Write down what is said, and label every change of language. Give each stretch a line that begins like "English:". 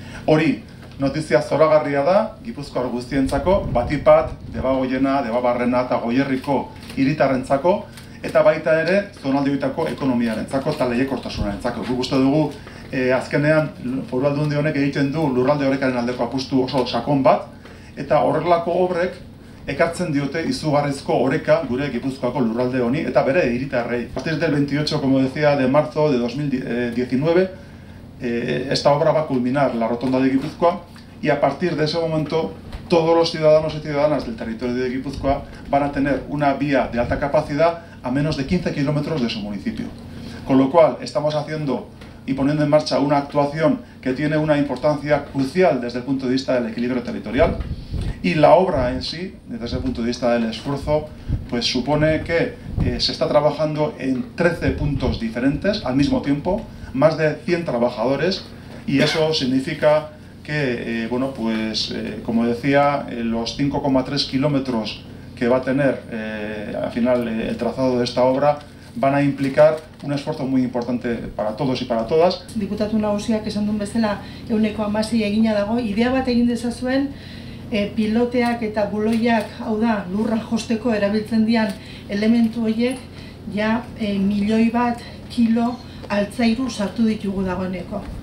Basque: Hori, notizia zoragarria da, Gipuzkoar guztientzako, batik bat, Debagoiena, Debabarrena eta Goierriko hiritarrentzako, eta baita ere, zonalde horietako ekonomiarentzako eta lehiakortasunarentzako. Guk uste dugu, azkenean, Foru Aldundi honek egiten du lurralde orekaren aldeko apustu oso sakon bat, eta horrelako obrek ekartzen diote izugarrizko oreka gure Gipuzkoako lurralde honi eta bere hiritarrei.
Spanish: A partir del 28, como decía, de marzo de 2019, esta obra va a culminar la rotonda de Gipuzkoa y a partir de ese momento todos los ciudadanos y ciudadanas del territorio de Gipuzkoa van a tener una vía de alta capacidad a menos de 15 kilómetros de su municipio. Con lo cual estamos haciendo y poniendo en marcha una actuación que tiene una importancia crucial desde el punto de vista del equilibrio territorial. Y la obra en sí, desde ese punto de vista del esfuerzo, pues supone que se está trabajando en 13 puntos diferentes al mismo tiempo, más de 100 trabajadores, y eso significa que, bueno, pues como decía, los 5,3 kilómetros que va a tener al final el trazado de esta obra van a implicar un esfuerzo muy importante para todos y para todas.
Basque: Diputatu nagusiak esan duen bezala, 116 egina dago, idea bat egin dezazuen, piloteak eta buloiak, hau da, lurra josteko erabiltzen dian elementu horiek, ja milioi bat kilo altzairu sartu ditugu dagoeneko.